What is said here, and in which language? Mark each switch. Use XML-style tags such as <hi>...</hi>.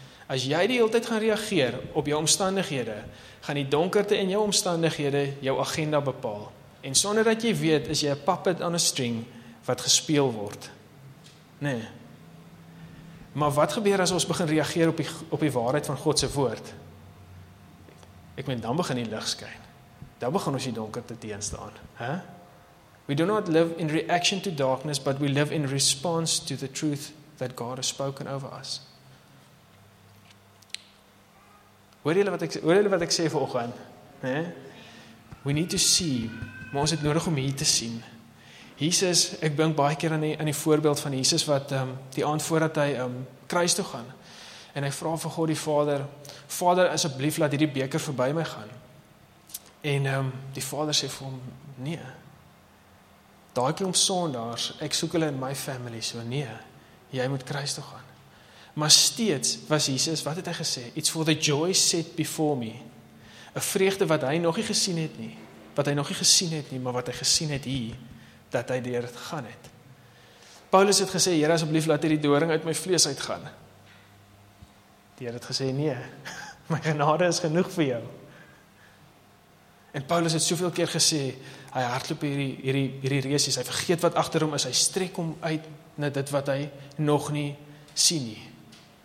<af>As jy die hele tyd gaan reageer op jou omstandighede, gaan die donkerte in jou omstandighede jou agenda bepaal. En sonder dat jy weet, is jy 'n</af> <en>puppet on a string</en> <af>wat gespeel word. Né? Maar wat gebeur as ons begin reageer op die waarheid van God se woord? Ek meen, dan begin die lig skyn. Dan begin ons die donkerte teenstaan. Hè?</af> <en>We do not live in reaction to darkness, but we live in response to the truth that God has spoken over us.</en> <af>Hoor jy wat ek sê vanoggend? Né?</af> <en>We need to see.</en> <af>Maar ons het nodig om hier te sien. Jesus, ek dink baie keer aan die voorbeeld van Jesus wat die aand voordat hy kruis toe gaan. En hy vra vir God die Vader, Vader, asseblief laat hierdie beker verby my gaan. En die Vader sê vir hom, nee. Daai klomp sondaars, ek soek hulle in my family, so nee, jy moet kruis toe gaan. Maar steeds was Jesus, wat het hy gesê?</af> <en>It's for the joy set before me.</en> <af>'N vreugde wat hy nog nie gesien het nie, maar wat hy gesien het hier, dat hy deur het gaan het. Paulus het gesê, Here asseblief laat hierdie doring uit my vlees uitgaan. Die Here het gesê, nee, my genade is genoeg vir jou. En Paulus het soveel keer gesê, hy hardloop hierdie reesies, hy vergeet wat achter hom is, hy strek hom uit na dit wat hy nog nie sien nie.</af>